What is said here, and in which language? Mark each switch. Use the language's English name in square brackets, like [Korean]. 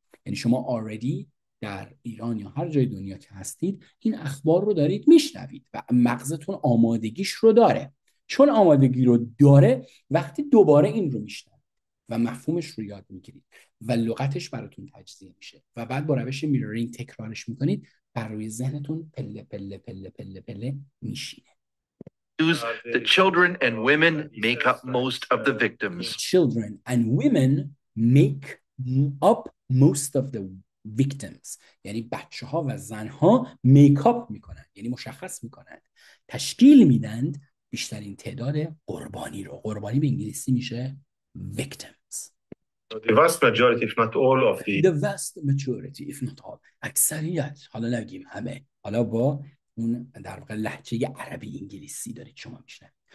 [Persian] یعنی شما already در ایران یا هر جای دنیا که هستید این اخبار رو دارید میشنوید و مغزتون آمادگیش رو داره. چون آمادگی رو داره وقتی دوباره این رو میشنوید و مفهومش رو یاد میگیرید و لغتش براتون تجزیه میشه و بعد با روش میرورینگ تکرارش میکنید، بر روی ذهنتون پله پله پله پله پله میشینه. [English] The children and women make up most of the victims. Children and women make up most of the victims. [Persian] یعنی بچه ها و زن ها میک اپ میکنند، یعنی مشخص میکنند، تشکیل میدند بیشترین تعداد قربانی رو. قربانی به انگلیسی میشه victims. [English] The vast majority, if not all, [Persian] اکثریت، حالا نگیم همه، حالا با اون در واقع لهجه عربی انگلیسی دارید شما میشنوید،